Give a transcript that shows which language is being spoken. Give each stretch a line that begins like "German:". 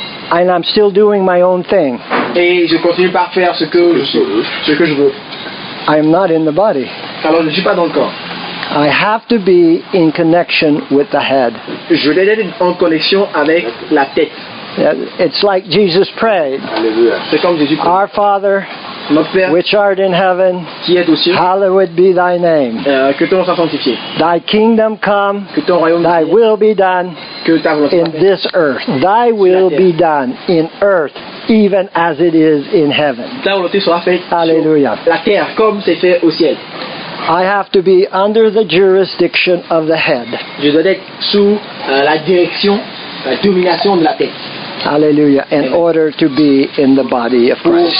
English: and I'm still doing my own thing.
French: Et je continue par faire ce que je veux.
English: I am not in the body.
French: Alors je ne suis pas dans le corps.
English: I have to be in connection with the head.
French: Je dois être en connexion avec la tête.
English: It's like Jesus prayed.
French: C'est comme Jésus prie.
English: Our Father,
French: notre Père,
English: which art in heaven,
French: qui est aux cieux,
English: hallowed be thy name.
French: Que ton nom soit sanctifié.
English: Thy kingdom come.
French: Que ton royaume
English: thy
French: vienne.
English: Thy will be done.
French: Que ta volonté soit faite.
English: In this earth. Thy will be done in earth, even as it is in heaven.
French: Ta volonté soit faite. Alléluia. La terre comme c'est fait au ciel.
English: I have to be under the jurisdiction of the head.
French: Je dois être sous la direction, la domination de la tête.
English: Hallelujah. In order to be in the body of Christ.